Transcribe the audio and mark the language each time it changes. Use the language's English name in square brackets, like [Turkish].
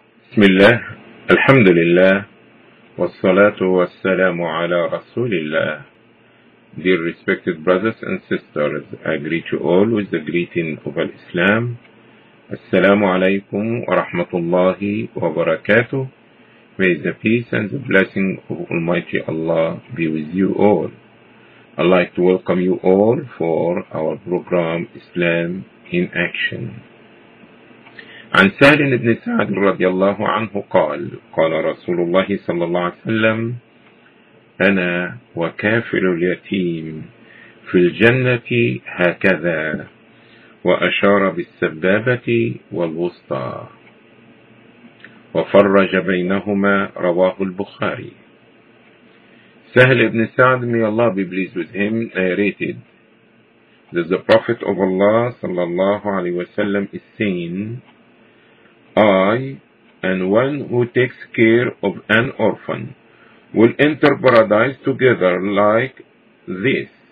[Arabic] بسم الله، الحمد لله، والصلاة والسلام على رسول الله. [English] Dear respected brothers and sisters, I greet you all with the greeting of Islam. [Arabic] السلام عليكم ورحمة الله وبركاته. [English] May the peace and the blessing of Almighty Allah be with you all. I'd like to welcome you all for our program Islam in Action. [Arabic] عن سهل بن سعد رضي الله عنه قال قال رسول الله صلى الله عليه وسلم أنا وكافر اليتيم في الجنة هكذا وأشار بالسبابة والوسطى وفرج بينهما رواه البخاري. [English] سهل بن سعد may Allah be pleased with him narrated that the Prophet of Allah [Arabic] صلى الله عليه وسلم [English] is seen I and one who takes care of an orphan will enter paradise together like this.